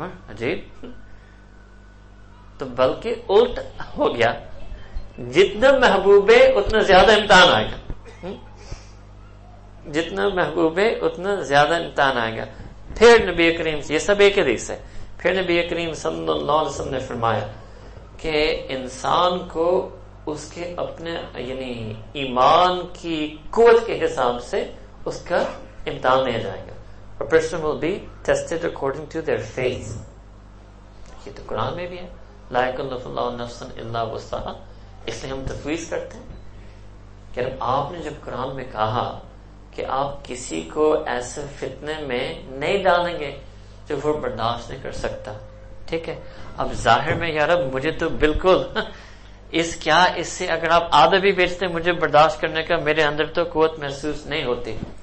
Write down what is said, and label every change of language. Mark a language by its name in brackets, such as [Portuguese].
[Urdu] عجیب. تو بلکہ الٹ ہو گیا, جتنا محبوب ہے اتنا زیادہ امتحان آئے گا, جتنا محبوب ہے اتنا زیادہ امتحان آئے گا. پھر نبی کریم, یہ سب ایک حدیث ہے, پھر نبی کریم صلی اللہ علیہ وسلم نے فرمایا کہ انسان کو اس کے اپنے یعنی ایمان کی قوت کے حساب سے اس کا امتحان لیا جائے گا. [English] A person will be tested according to their faith. [Urdu] یہ تو قرآن میں بھی ہے, [Arabic] لا یکلف اللہ نفسا الا وسعہا, [Urdu] اس لیے ہم تفویض کرتے ہیں کہ آپ نے جب قرآن میں کہا کہ آپ کسی کو ایسے فتنے میں نہیں ڈالیں گے جو وہ برداشت نہیں کر سکتا, ٹھیک ہے, اب ظاہر میں یارب مجھے تو بالکل اس کیا, اس سے اگر آپ آدھا بھی بیچتے مجھے برداشت کرنے کا, میرے اندر تو قوت محسوس نہیں ہوتی,